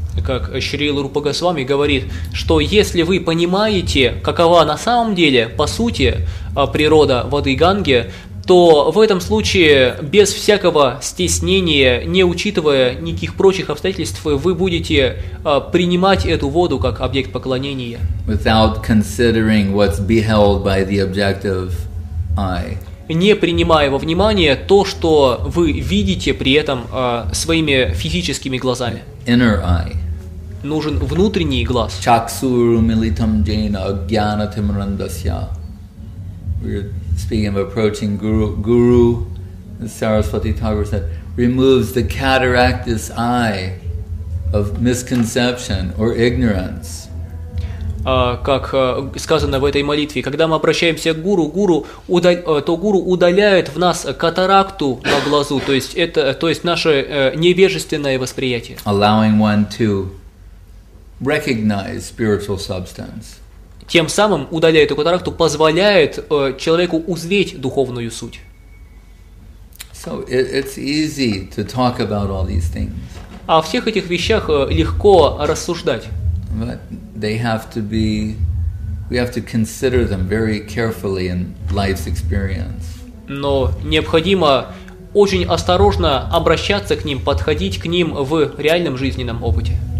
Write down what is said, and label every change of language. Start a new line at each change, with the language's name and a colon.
Russian: Как Шрила Рупа Госвами говорит, что если вы понимаете, какова на самом деле, по сути, природа воды Ганги, то в этом случае, без всякого стеснения, не учитывая никаких прочих обстоятельств, вы будете принимать эту воду как объект поклонения.
English: Without considering what's beheld by the objective eye.
Russian: Не принимая во внимание то, что вы видите при этом своими физическими глазами.
English: Inner eye.
Russian: Нужен внутренний глаз.
Sanskrit: Чаксуру милитам джейна агьяна тимрандасья.
English: We're speaking of approaching Guru. Guru, as Saraswati Thakur said, removes the cataractous eye of misconception or ignorance.
Russian: Как сказано в этой молитве, когда мы обращаемся к Гуру, то Гуру удаляет в нас катаракту на глазу, то есть наше невежественное восприятие.
English: Allowing one to recognize spiritual substance.
Russian: Тем самым, удаляя эту катаракту, позволяет человеку узреть духовную суть.
English: So it's easy to talk about all these things.
Russian: О всех этих вещах легко рассуждать.
English: But they have to be, we have to consider them very carefully in life's experience.
Russian: Но необходимо очень осторожно обращаться к ним, подходить к ним в реальном жизненном опыте.